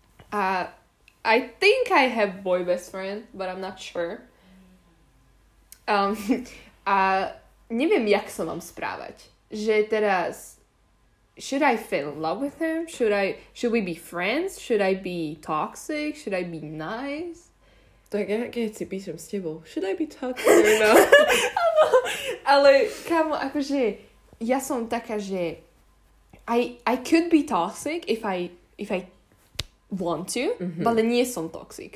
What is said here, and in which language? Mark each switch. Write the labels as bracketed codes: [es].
[sk] A [en] I think I have boy best friend, but I'm not sure. [sk] A neviem, jak sa mám správať. Že teraz, [en] should I fall in love with him? Should we be friends? Should I be toxic? Should I be nice? [sk] Tak ja keď si píšem s tebou, [en] should I be toxic? [sk] No. Ale kamo, akože ja som taká, že [en] I could be toxic if I want to, [sk] mm-hmm. ale nie som toxic.